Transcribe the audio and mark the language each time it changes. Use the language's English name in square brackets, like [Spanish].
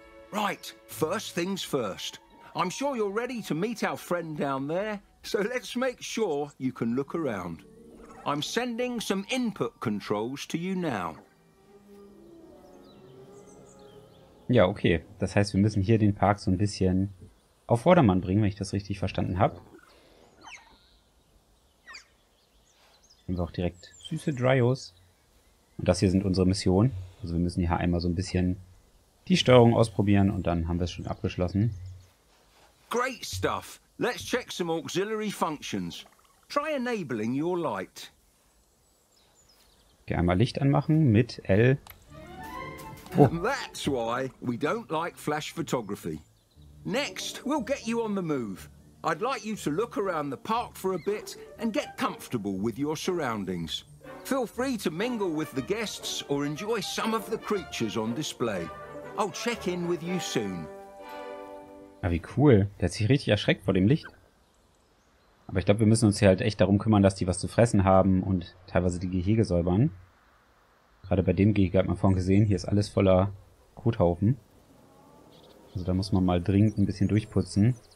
[English] Right, first things first. I'm sure you're ready to meet our friend down there. So let's make sure you can look around. I'm sending some input controls to you now. [German] Ja, okay. Das heißt, wir müssen hier den Park so ein bisschen auf Vordermann bringen, wenn ich das richtig verstanden habe. Nehmen wir auch direkt süße Dryos. Und das hier sind unsere Missionen. Also wir müssen hier einmal so ein bisschen die Steuerung ausprobieren und dann haben wir es schon abgeschlossen. [English] Great stuff! Let's check some auxiliary functions. Try enabling your light. [German] Okay, einmal Licht anmachen mit L. Oh. [English] And that's why we don't like flash photography. Next, we'll get you on the move. I'd like you to look around the park for a bit and get comfortable with your surroundings. Feel free to mingle with the guests or enjoy some of the creatures on display. I'll check in with you soon. [German] Ah, wie cool. Der hat sich richtig erschreckt vor dem Licht. Aber ich glaube, wir müssen uns hier halt echt darum kümmern, dass die was zu fressen haben und teilweise die Gehege säubern. Gerade bei dem Gehege hat man vorhin gesehen, hier ist alles voller Kothaufen. Also da muss man mal dringend ein bisschen durchputzen.